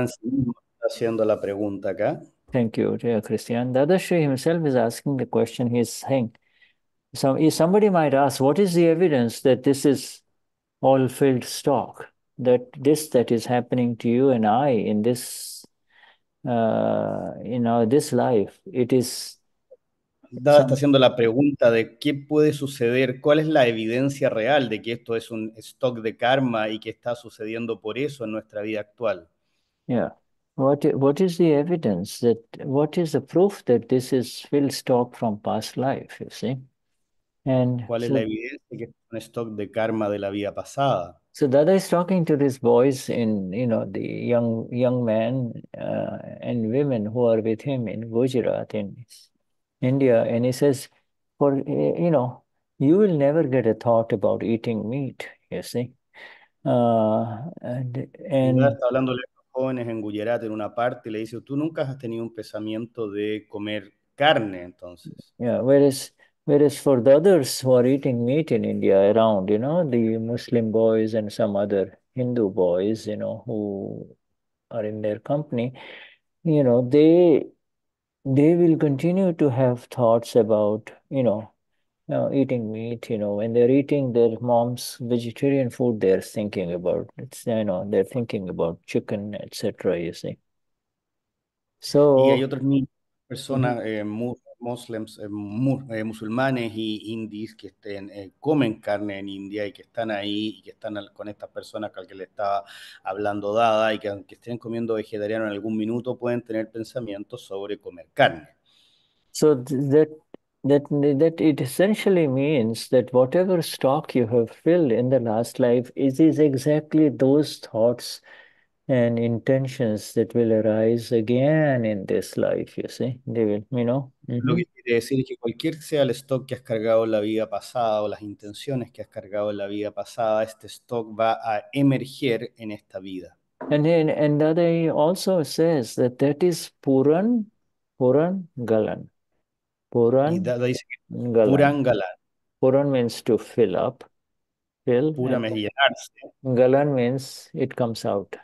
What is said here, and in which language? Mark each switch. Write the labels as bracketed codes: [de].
[es] en sí mismo está haciendo la pregunta acá. [en] Thank you, dear Christian. Dadashri himself is asking the question. He's saying, so if somebody might ask, what is the evidence that this is all filled stock? That this that is happening to you and I in this. You know, this life, it is [es] Dada está haciendo la pregunta de qué puede suceder, cuál es la evidencia real de que esto es un stock de karma y que está sucediendo por eso en nuestra vida actual. [en] What is the evidence that what is the proof that this is filled stock from past life, you see? And [es] ¿Cuál es la evidencia de que es un stock de karma de la vida pasada? [en] So Dada is talking to these boys in, you know, the young men and women who are with him in Gujarat, in India, and he says, "For you know, you will never get a thought about eating meat." You see, [es] Está [en] and [es] hablando de los jóvenes en Gujarat en una parte y le dice, tú nunca has tenido un pensamiento de comer carne, entonces. [en] yeah, whereas for the others who are eating meat in India around, you know, the Muslim boys and some other Hindu boys, you know, who are in their company, you know, they will continue to have thoughts about, eating meat. You know, when they're eating their mom's vegetarian food, they're thinking about it's, you know, they're thinking about chicken, etc., you see. [es] Y hay otras [en] So, [es] mil personas, muslims, musulmanes y indies que estén, comen carne en India y que están ahí y que están con estas personas que al que le estaba hablando Dada y que aunque estén comiendo vegetariano en algún minuto pueden tener pensamientos sobre comer carne. [en] That it essentially means that whatever stock you have filled in the last life is exactly those thoughts and intentions that will arise again in this life, you see. They will, you know. [es] Lo que quiere decir es que cualquier sea el stock que has cargado en la vida pasada o las intenciones que has cargado en la vida pasada, este stock va a emerger en esta vida. [en] And then he also says that is Puran Galan. [es] Y Puran Dada dice que galan. Purangala. [en] Puran means to fill up, fill, Pura and [es] me llenarse. [en] galan means it comes out.